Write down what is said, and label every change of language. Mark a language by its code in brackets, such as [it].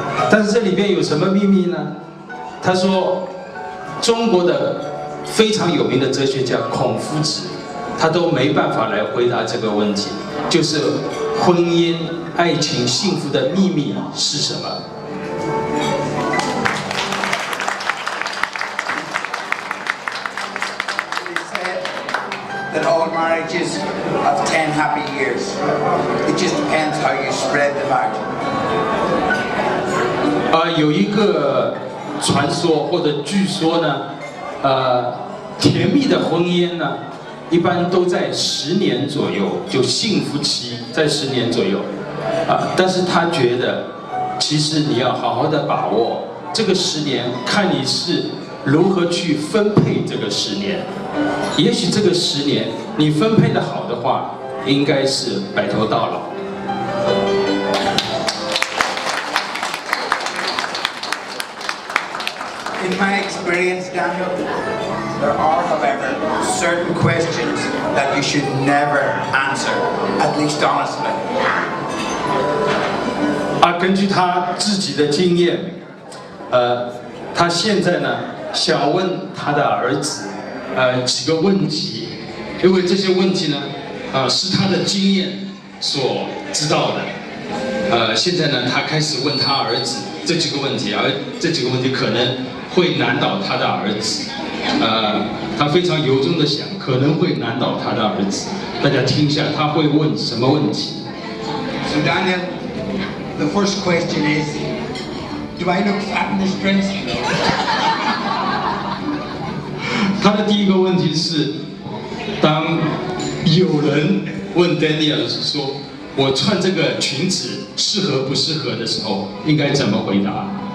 [zh] 但是这里边有什么秘密呢？他说，中国的非常有名的哲学家孔夫子，他都没办法来回答这个问题，就是婚姻、爱情、幸福的秘密是什么？ [en] It's said that all marriages have 10 happy years. It just depends how you spread the word. [zh] 有一个传说或者据说呢，甜蜜的婚姻呢，一般都在十年左右，就幸福期在十年左右，但是他觉得，其实你要好好的把握这个十年，看你是如何去分配这个十年。也许这个十年你分配的好的话，应该是白头到老。 [en] In my experience, Daniel, there are, however, certain questions that you should never answer, at least honestly. [zh] 根据他自己的经验，他现在呢想问他的儿子，几个问题，因为这些问题呢，是他的经验所知道的。现在呢，他开始问他儿子这几个问题，而这几个问题可能会难倒他的儿子，他非常由衷的想，可能会难倒他的儿子。大家听一下，他会问什么问题 [en] ？So Daniel, the first question is, do I look fat in this dress? [zh] 他的第一个问题是，当有人问 Daniel 说，我穿这个裙子适合不适合的时候，应该怎么回答？